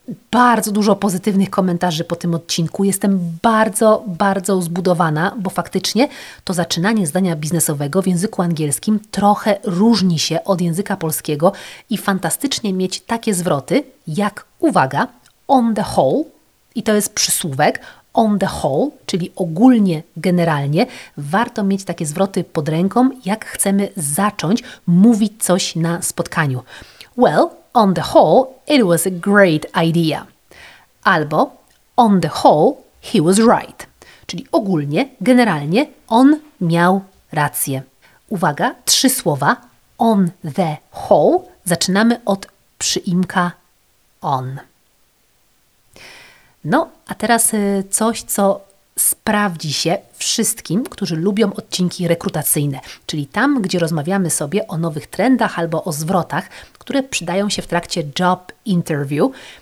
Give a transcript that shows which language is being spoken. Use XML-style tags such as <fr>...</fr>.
<pl>Bardzo dużo pozytywnych komentarzy po tym odcinku. Jestem bardzo, bardzo zbudowana, bo faktycznie to zaczynanie zdania biznesowego w języku angielskim trochę różni się od języka polskiego i fantastycznie mieć takie zwroty jak, uwaga,</pl> <en>on the whole,</en> <pl>i to jest przysłówek, on the whole, czyli ogólnie, generalnie, warto mieć takie zwroty pod ręką, jak chcemy zacząć mówić coś na spotkaniu.</pl> <en>Well, on the whole, it was a great idea.</en> <pl>Albo</pl> <en>on the whole, he was right.</en> <pl>Czyli ogólnie, generalnie, on miał rację. Uwaga, trzy słowa.</pl> <en>On the whole.</en> <pl>Zaczynamy od przyimka on. No, a teraz coś, co sprawdzi się wszystkim, którzy lubią odcinki rekrutacyjne, czyli tam, gdzie rozmawiamy sobie o nowych trendach albo o zwrotach, które przydają się w trakcie job interview.</pl>